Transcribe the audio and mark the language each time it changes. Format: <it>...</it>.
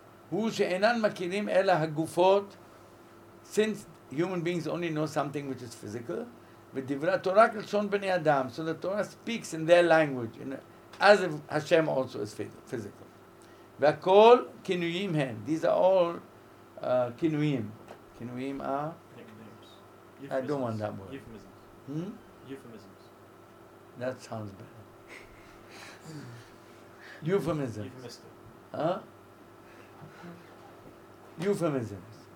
<he>הוא שאינן מכירים אלא הגופות,</he> <en>since human beings only know something which is physical,</en> <he>ודברי התורה כלשון בני אדם,</he> <en>so the Torah speaks in their language, as if Hashem also is physical.</en> <he>והכל כינויים הן,</he> <en>these are all</en> <he>כינויים.</he> <en>כינויים are? Nicknames. I don't want that word. Euphemisms. That sounds bad. Euphemisms. Euphemisms.</en>